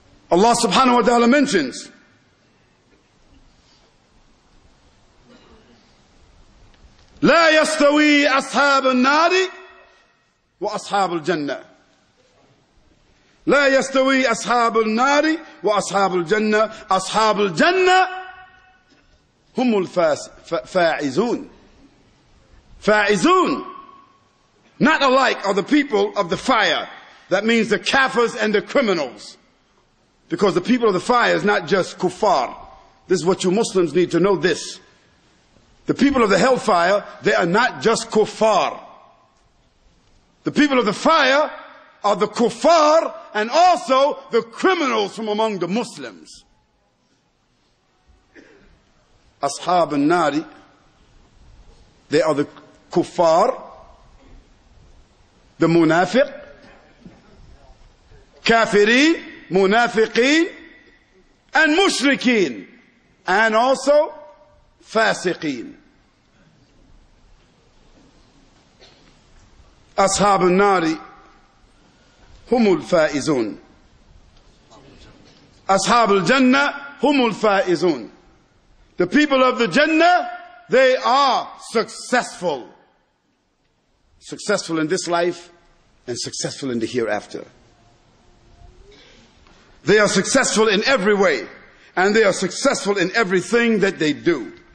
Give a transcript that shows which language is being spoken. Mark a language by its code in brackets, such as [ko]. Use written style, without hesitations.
[en] Allah subhanahu wa ta'ala mentions, [ar] لا يستوي أصحاب النار وأصحاب الجنة. لا يستوي أصحاب النار وأصحاب الجنة. أصحاب الجنة هم الفائزون. فائزون. [en] Not alike are the people of the fire. That means the kafirs and the criminals. Because the people of the fire is not just kuffar. This is what you Muslims need to know this. The people of the hellfire, they are not just kuffar. The people of the fire are the kuffar and also the criminals from among the Muslims. Ashab al-Nari, they are the kuffar, the munafiq, kafirin, munafiqin, and mushrikeen, and also fasiqeen. [ar] أصحاب النار هم الفائزون أصحاب الجنة هم الفائزون. [en] The people of the Jannah, they are successful. Successful in this life and successful in the hereafter. They are successful in every way and they are successful in everything that they do.